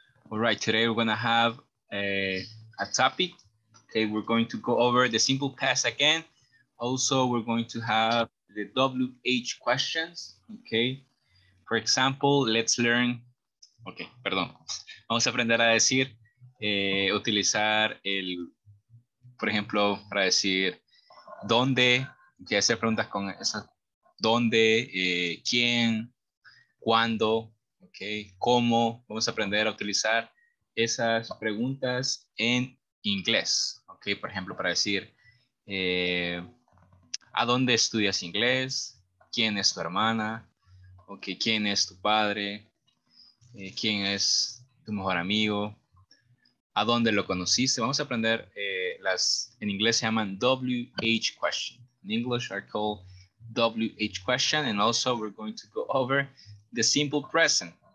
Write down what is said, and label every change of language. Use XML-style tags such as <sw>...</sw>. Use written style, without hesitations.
<en>All right, today we're gonna have a topic. Okay, we're going to go over the simple past again. Also, we're going to have the WH questions, okay? For example, let's learn, okay, perdón.</en> <es>Vamos a aprender a decir, utilizar el, por ejemplo, para decir, ¿dónde? Que hacer preguntas con esa, ¿dónde? ¿Quién? ¿Cuándo? Okay, ¿cómo? Vamos a aprender a utilizar esas preguntas en inglés, okay? Por ejemplo, para decir, ¿a dónde estudias inglés? ¿Quién es tu hermana? Okay, ¿quién es tu padre? ¿Quién es tu mejor amigo? ¿A dónde lo conociste? Vamos a aprender las, en inglés se llaman WH question.</es> <en>In English are called WH question. And also we're going to go over the simple present.</en>